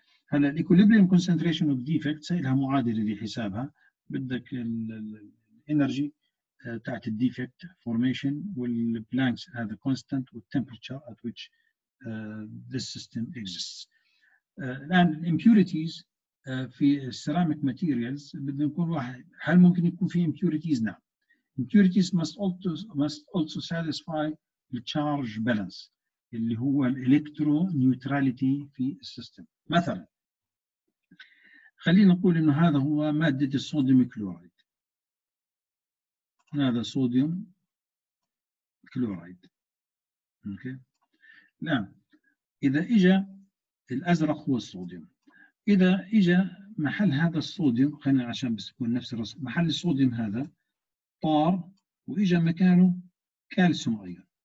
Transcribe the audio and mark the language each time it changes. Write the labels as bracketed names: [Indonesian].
[Arabic] هلا الايكوليبريم كونسنتريشن اوف ديفكت لها معادله لحسابها، بدك الانرجي تاعت الديفكت فورميشن والبلانكس هذا كونستانت والتمبرتشر ات ويتش ذس سيستم اكزيست. الان الامبيوريتيز في السيراميك ماتيريالز بدنا نكون واحد، هل ممكن يكون في امبيوريتيز؟ نعم. [English] Impurities must also satisfy the charge balance [Arabic] اللي هو الالكترو نيوتراليتي في السيستم. مثلا خلينا نقول انه هذا هو مادة الصوديوم كلورايد، هذا صوديوم كلورايد. اوكي نعم. اذا اجى الازرق هو الصوديوم، اذا اجى محل هذا الصوديوم، خلينا عشان بس يكون نفس الرسم، محل الصوديوم هذا طار واجى مكانه كالسيوم ايون.